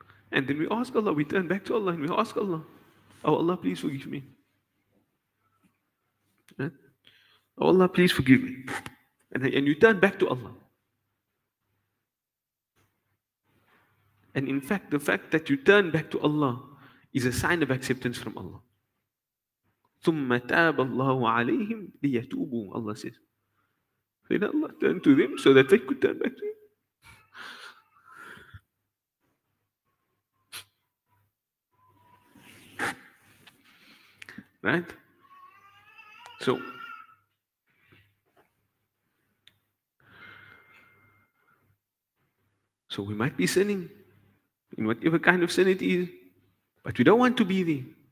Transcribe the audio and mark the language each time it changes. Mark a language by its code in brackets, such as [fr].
[en] And then we ask Allah, we turn back to Allah and we ask Allah, oh Allah, please forgive me. Oh Allah, please forgive me. And you turn back to Allah. And in fact, the fact that you turn back to Allah is a sign of acceptance from Allah. [ar] ثُمَّ تَابَ اللَّهُ عَلَيْهِمْ لِيَتُوبُوا, [en] Allah says. Then Allah turned to them so that they could turn back to him. Right? So, we might be sinning in whatever kind of sin it is, but we don't want to be there.